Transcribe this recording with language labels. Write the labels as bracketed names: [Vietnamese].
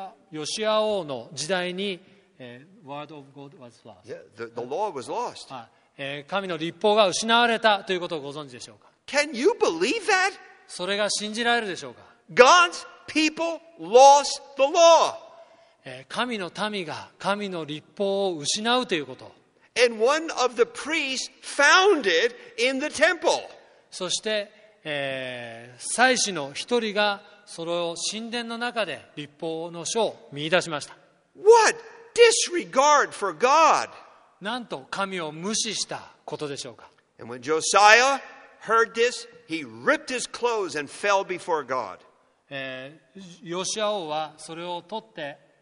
[Japanese] ヨシア王の時代に、 [English] Word of God was lost. The law was lost. [Japanese] 神の律法が失われたということをご存知でしょうか。 [English] Can you believe that? [Japanese] それが信じられるでしょうか。 [English] God's people lost the law. [Japanese] 神の民が神の律法を失うということ。 [English] And one of the priests found it in the temple. [Japanese] そして、祭司の一人がそれを神殿の中で律法の書を見出しました。 [English] What disregard for God? [Japanese] なんと神を無視したことでしょうか。 [English] And when Josiah heard this, he ripped his clothes and fell before God. [Japanese] ヨシア王はそれを取って、